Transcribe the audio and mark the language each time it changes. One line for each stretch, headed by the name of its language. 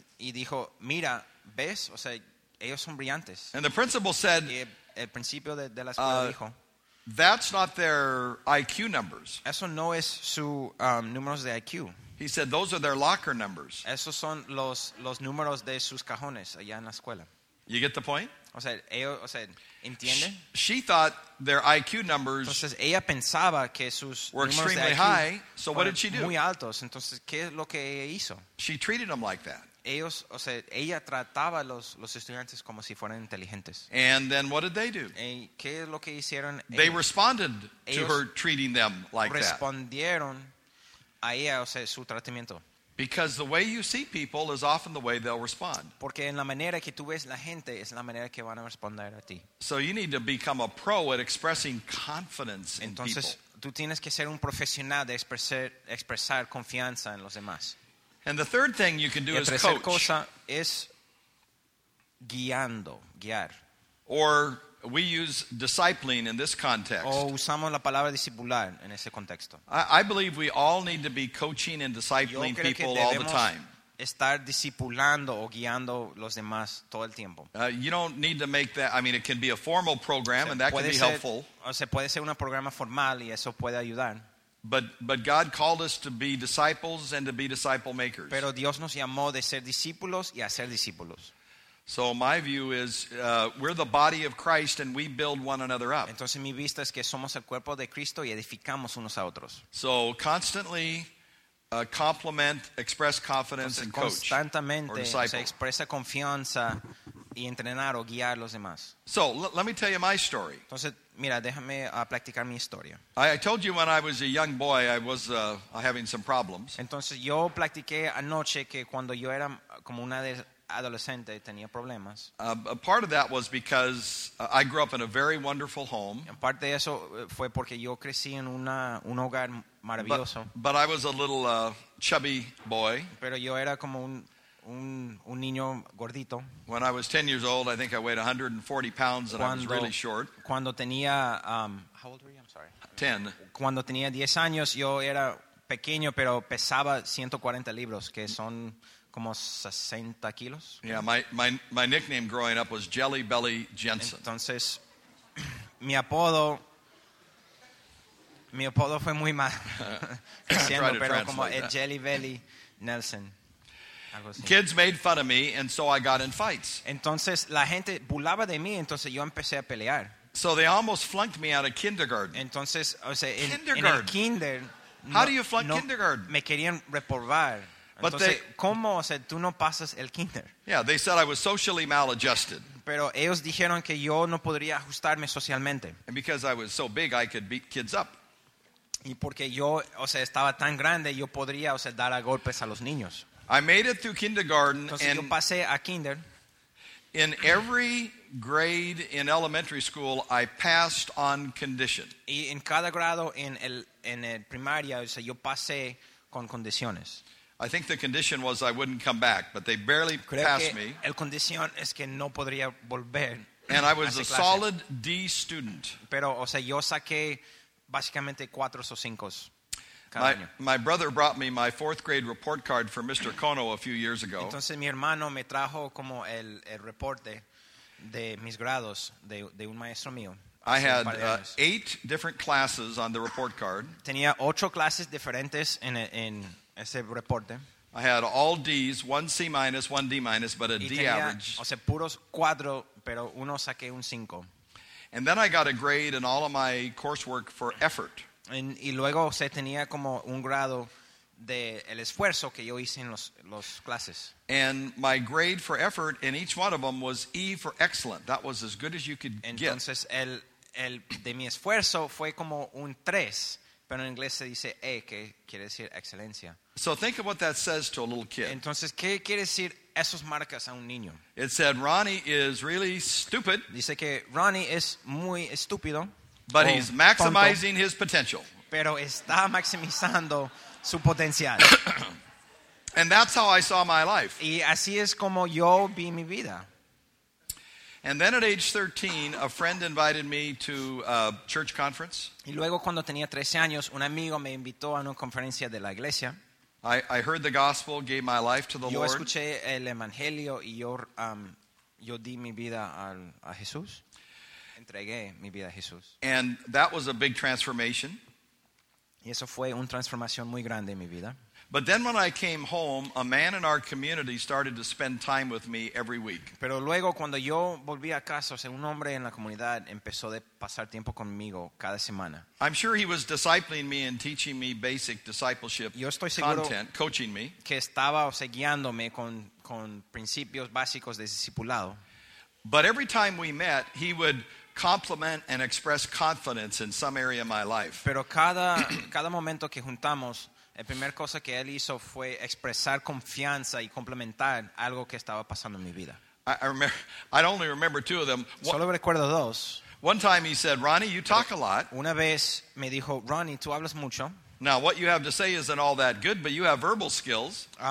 Spanish: Y dijo, mira, ves, o sea, ellos son brillantes.
English: And the principal said,
Spanish: el principio de la escuela dijo,
English: that's not their IQ numbers.
Spanish: Eso no es su números de IQ.
English: He said, those are their locker numbers.
Spanish: Esos son los números de sus cajones allá en la escuela.
English: You get the point?
Spanish: O sea, ¿entiende?
English: She thought their IQ numbers
Spanish: entonces, ella pensaba que sus
English: were
Spanish: números
English: extremely
Spanish: de IQ
English: high, so what did she do?
Spanish: Muy altos. Entonces, ¿qué es lo que ella hizo?
English: She treated them like that.
Spanish: Ellos, o sea, ella trataba los estudiantes como si fueran inteligentes.
English: And then what did they do?
Spanish: ¿Qué es lo que hicieron?
English: They responded to her treating them like that.
Spanish: Respondieron a ella, o sea, su tratamiento.
English: Because the way you see people is often the way they'll respond.
Spanish: Porque en la manera que tú ves la gente es la manera que van a responder a ti.
English: So you need to become a pro at expressing confidence in people.
Spanish: Entonces, tú tienes que ser un profesional de expresar confianza en los demás.
English: And the third thing you can do is coach.
Spanish: Y la tercera cosa es guiando, guiar.
English: Or we use discipling in this context.
Spanish: O usamos la palabra discipular en ese contexto.
English: I believe we all need to be coaching and discipling people all the time.
Spanish: Estar discipulando o guiando los demás todo el tiempo.
English: You don't need to make that. I mean, it can be a formal program, and that can be helpful.
Spanish: O sea, puede ser un programa formal y eso puede ayudar.
English: But God called us to be disciples and to be disciple makers.
Spanish: Pero Dios nos llamó de ser discípulos y a ser discípulos.
English: So my view is we're the body of Christ and we build one another up.
Spanish: Entonces mi vista es que somos el cuerpo de Cristo y edificamos unos a otros.
English: So constantly compliment, express confidence and coach.
Spanish: Constantemente,
English: or disciple.
Spanish: O sea, expresa confianza y entrenar o guiar los demás.
English: So let me tell you my story.
Spanish: Entonces, mira, déjame platicar mi historia.
English: I told you when I was a young boy, I was having some problems.
Spanish: Entonces, yo platiqué anoche que cuando yo era como una de adolescente tenía problemas.
English: A part of that was because I grew up in a very wonderful home.
Spanish: En parte de eso fue porque yo crecí en un hogar maravilloso.
English: But I was a little chubby boy.
Spanish: Pero yo era como un niño gordito.
English: When I was 10 years old, I think I weighed 140 pounds and
Spanish: cuando,
English: I was really short.
Spanish: Cuando tenía
English: how old were you? I'm sorry. 10.
Spanish: Cuando tenía 10 años yo era pequeño pero pesaba 140 libras, que son como 60 kilos.
English: Yeah, my nickname growing up was Jelly Belly Jensen.
Spanish: Entonces, mi apodo fue muy mal. Siendo, pero como el Jelly Belly Nelson.
English: Kids made fun of me, and so I got in fights.
Spanish: Entonces, la gente burlaba de mí, entonces yo empecé a pelear.
English: So they almost flunked me out of kindergarten.
Spanish: Entonces, o sea, kindergarten. En el kinder,
English: how do you flunk kindergarten?
Spanish: Me querían reprobar.
English: But
Spanish: entonces,
English: they,
Spanish: ¿cómo? O sea, tú no pasas el kinder.
English: Yeah, they said I was socially maladjusted.
Spanish: Pero ellos dijeron que yo no podría ajustarme socialmente.
English: And because I was so big, I could beat kids up.
Spanish: Y porque yo, o sea, estaba tan grande, yo podría, o sea, dar a golpes a los niños.
English: I made it through kindergarten.
Spanish: Entonces,
English: and
Spanish: yo pasé a kinder.
English: In every grade in elementary school, I passed on condition.
Spanish: Y en cada grado en el primaria, o sea, yo pasé con condiciones.
English: I think the condition was I wouldn't come back, but they barely passed me.
Spanish: El condición es que no podría volver.
English: And I was a solid D student.
Spanish: Pero, o sea, yo saqué básicamente cuatro o cinco cada año.
English: My brother brought me my fourth grade report card for Mr. Kono a few years ago.
Spanish: Entonces mi hermano me trajo como el reporte de mis grados de un maestro mío.
English: I had eight different classes on the report card.
Spanish: Tenía ocho clases diferentes en ese reporte.
English: I had all D's, one C minus, one D minus, but a D average.
Spanish: O sea, puros cuatro, pero uno saqué un cinco.
English: And then I got a grade in all of my coursework for effort.
Spanish: Y luego se tenía como un grado de el esfuerzo que yo hice en los clases.
English: And my grade for effort in each one of them was E for excellent. That was as good as you could get.
Spanish: Entonces el de mi esfuerzo fue como un tres. Pero en inglés se dice E, que quiere decir excelencia.
English: So think of what that says to a little kid.
Spanish: Entonces, ¿qué quiere decir esas marcas a un niño?
English: It said Ronnie is really stupid.
Spanish: Dice que Ronnie es muy estúpido.
English: But he's maximizing his potential.
Spanish: Pero está maximizando su potencial.
English: And that's how I saw my life.
Spanish: Y así es como yo vi mi vida.
English: And then at age 13, a friend invited me to a church conference.
Spanish: Y luego cuando tenía 13 años, un amigo me invitó a una conferencia de la iglesia.
English: I heard the gospel, gave my life to the Lord.
Spanish: Yo escuché el evangelio y yo di mi vida a Jesús. Entregué mi vida a Jesús.
English: And that was a big transformation.
Spanish: Y eso fue una transformación muy grande en mi vida.
English: But then when I came home, a man in our community started to spend time with me every week.
Spanish: Pero luego cuando yo volví a casa, o sea, un hombre en la comunidad empezó de pasar tiempo conmigo cada semana.
English: I'm sure he was discipling me and teaching me basic discipleship content, coaching me.
Spanish: Que estaba, o sea, guiándome con principios básicos de discipulado.
English: But every time we met, he would compliment and express confidence in some area of my life.
Spanish: Pero cada momento que juntamos, la primera cosa que él hizo fue expresar confianza y complementar algo que estaba pasando en mi vida.
English: I only remember two of them.
Spanish: Solo recuerdo dos.
English: One time he said, Ronnie, you talk a lot.
Spanish: Una vez me dijo, Ronnie, tú hablas mucho.
English: Now, what you have to say isn't all that good, but you have verbal skills.